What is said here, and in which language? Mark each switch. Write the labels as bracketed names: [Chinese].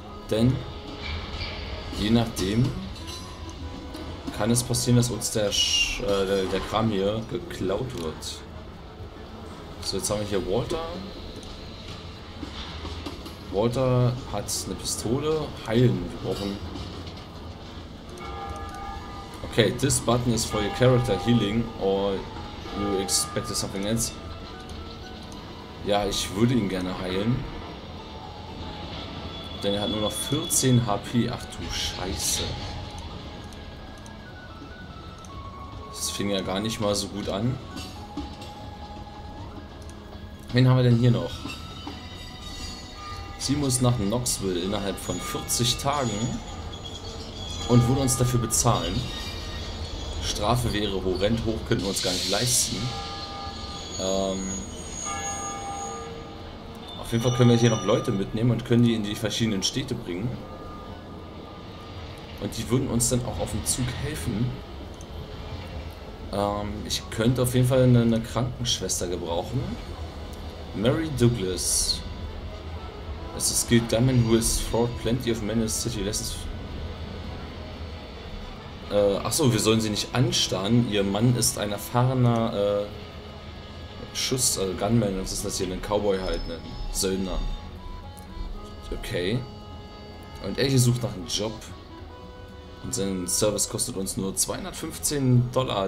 [German] Denn je nachdem kann es passieren, dass uns der Kram hier geklaut wird. So, jetzt haben wir hier Walter. Walter hat eine Pistole. Heilen. Wir brauchen. [English] Okay, this button is for your character healing, or you expected something else. [German] Ja, ich würde ihn gerne heilen. Denn er hat nur noch 14 HP. Ach du Scheiße. Das fing ja gar nicht mal so gut an. Wen haben wir denn hier noch? Sie muss nach Knoxville innerhalb von 40 Tagen und würde uns dafür bezahlen. Strafe wäre horrend hoch, könnten wir uns gar nicht leisten. Auf jeden Fall können wir hier noch Leute mitnehmen und können die in die verschiedenen Städte bringen. Und die würden uns dann auch auf dem Zug helfen. Ich könnte auf jeden Fall eine Krankenschwester gebrauchen. Mary Douglas. Es ist [English] Skilled Gunman, who has fought plenty of men in the city. [German] Achso, wir sollen sie nicht anstarren. Ihr Mann ist ein erfahrener Schuss, also Gunman. Was ist das hier? Ein Cowboy halt, ne? Söldner. Okay. Und er hier sucht nach einem Job. Und sein Service kostet uns nur 215 Dollar.